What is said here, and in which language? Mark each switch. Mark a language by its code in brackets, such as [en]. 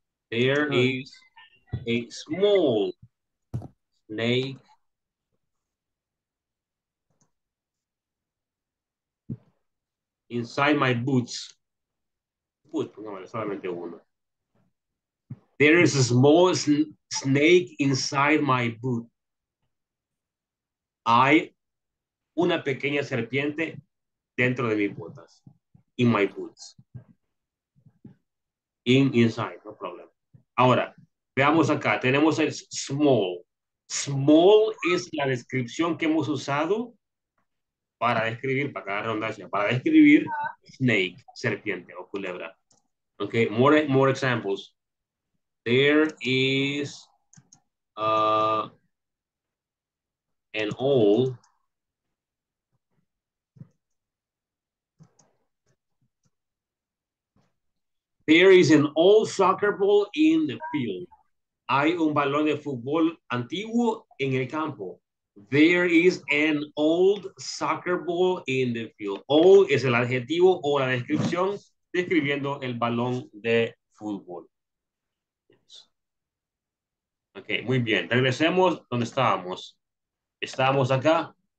[en] There is a small snake inside my boots. There is a small snake inside my boot. [es] Hay una pequeña serpiente dentro de mis botas. [en] In my boots. Inside, no problem. [es] Ahora, veamos acá. Tenemos el small. Small es la descripción que hemos usado para describir, para cada redundancia, para describir snake, serpiente o culebra. [en] Ok, more examples. There is an owl There is an old soccer ball in the field. [es] Hay un balón de fútbol antiguo en el campo. [en] There is an old soccer ball in the field. [es] Old es el adjetivo o la descripción describiendo el balón de fútbol. Yes. Ok, muy bien. Regresemos donde estábamos. Estábamos acá.